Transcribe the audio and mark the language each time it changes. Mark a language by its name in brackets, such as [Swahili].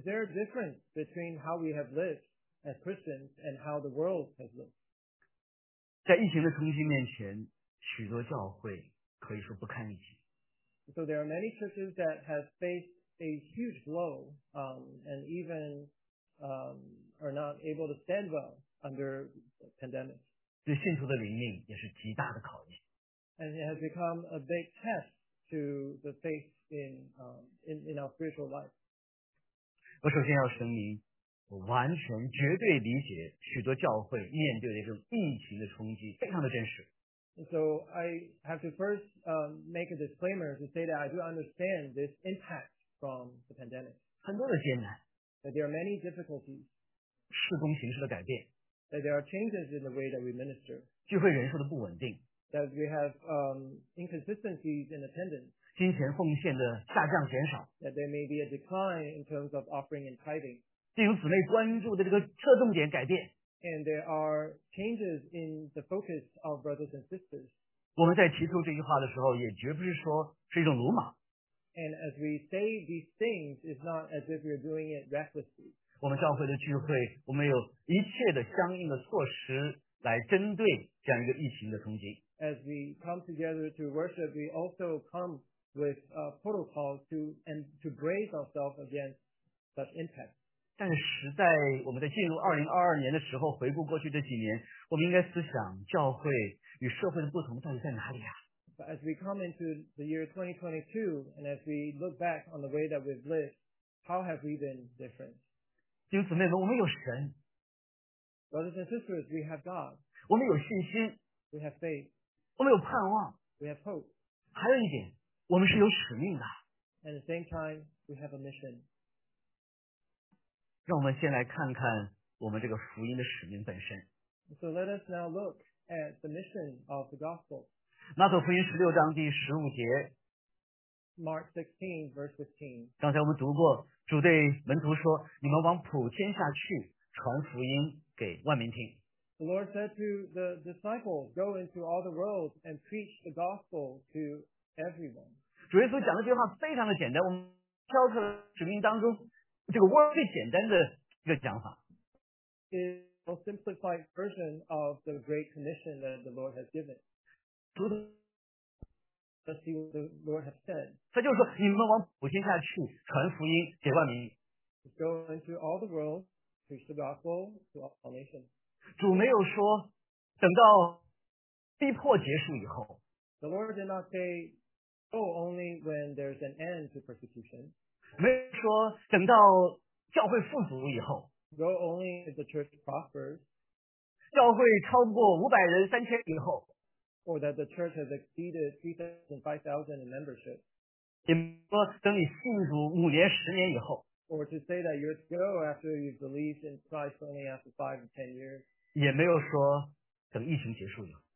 [English] Is there a difference between how we have lived as Christians and how the world has lived? [Chinese] 在疫情的冲击面前，许多教会可以说不堪一击。 [English] So there are many churches that have faced a huge blow, and even are not able to stand well under the pandemic. [Chinese] 对信徒的灵命也是极大的考验。 [English] And it has become a big test to the faith in our spiritual life. [Chinese] 我首先要声明，我完全绝对理解许多教会面对的这种疫情的冲击，非常的真实。 [English] So I have to first make a disclaimer to say that I do understand this impact from the pandemic. [Chinese] 很多的艰难。 [English] That there are many difficulties. [Chinese] 事工形式的改变。 [English] That there are changes in the way that we minister. [Chinese] 聚会人数的不稳定。 [English] That we have inconsistencies in attendance. [Chinese] 金钱奉献的下降减少。 [English] That there may be a decline in terms of offering and tithing. [Chinese] 弟兄姊妹关注的这个侧重点改变。 [English] And there are changes in the focus of brothers and sisters. [Chinese] 我们在提出这句话的时候也绝不是说是一种鲁莽。 [English] And as we say these things, it's not as if we're doing it recklessly. [Chinese] 我们教会的聚会，我们有一切的相应的措施来针对这样一个疫情的冲击。 [English] As we come together to worship, we also come with a protocol to brace ourselves against such impact. [Chinese] 但是在我们在进入2022年的时候，回顾过去这几年，我们应该思想教会与社会的不同到底在哪里啊？ [English] But as we come into the year 2022, and as we look back on the way that we've lived, how have we been different? [Chinese] 弟兄姊妹们，我们有神。 [English] Brothers and sisters, we have God. [Chinese] 我们有信心。 [English] We have faith. [Chinese] 我们有盼望。 [English] We have hope. [Chinese] 还有一点，我们是有使命的。 [English] At the same time, we have a mission. [Chinese] 让我们先来看看我们这个福音的使命本身。 [English] So let us now look at the mission of the gospel. [Chinese] 马可福音16章第15节。 [English] Mark 16, verse 15. [Chinese] 刚才我们读过，主对门徒说，你们往普天下去，传福音给万民听。 [English] The Lord said to the disciples, go into all the world and preach the gospel to everyone. [Chinese] 主耶稣讲的这句话非常的简单，我们挑出使命当中这个最简单的一个讲法。 [English] It's a more simplified version of the great commission that the Lord has given. Let's see what the Lord has said. [Chinese] 他就是说，你们往普天下去，传福音给万民。 [English] Go into all the world, preach the gospel to all nations. [Chinese] 主没有说，等到逼迫结束以后。 [English] The Lord did not say, go only when there's an end to persecution. [Chinese] 没有说等到教会富足以后 [English] go only if the church prospers [Chinese] 教会超过500人3000以后 [English] or that the church has exceeded 3,000 5,000 in membership [Chinese] 也没说等你信主5年10年以后 [English] or to say that you're still after you've believed in Christ only after 5 or 10 years [Chinese] 也没有说等疫情结束以后